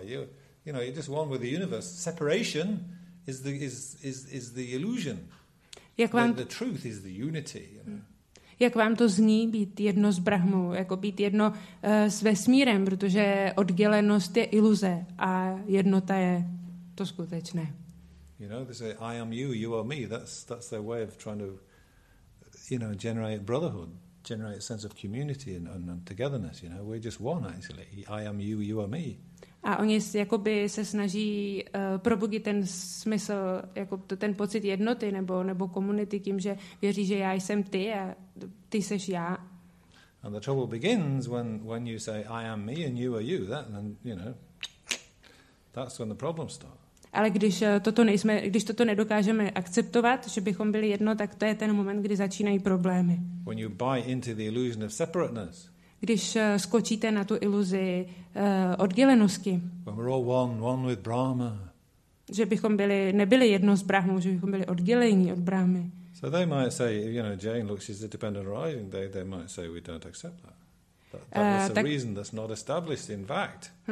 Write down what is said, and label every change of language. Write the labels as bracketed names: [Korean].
[English] You know, you're just one with the universe. Separation is the illusion. The truth is the unity. [Czech] Jak vám to zní být jedno s Brahmou, jako být jedno s vesmírem, protože oddělenost je iluze a jednota je to skutečné. [English] You know, they say I am you, you are me. That's their way of trying to, you know, generate brotherhood, generate a sense of community and togetherness. You know, we're just one actually. I am you, you are me. [Czech] A oni jakoby se snaží probudit ten smysl, jako ten pocit jednoty nebo komunity tím, že věří, že já jsem ty a ty seš já. [English] And the trouble begins when you say I am me and you are you. That, then, you know, that's when the problem starts. [Czech] Ale když toto nejsme, když toto nedokážeme akceptovat, že bychom byli jedno, tak to je ten moment, kdy začínají problémy. [English] When you buy into the illusion of separateness. [Czech] Když skočíte na tu iluzi oddělenosti. [English] We're all one with Brahma. [Czech] Že bychom nebyli jedno s Brahmou, že bychom byli odděleni od Brahmy. [English] So they might say, you know, Jane looks she's a dependent arising, they might say we don't accept that. That's a reason that's not established in fact.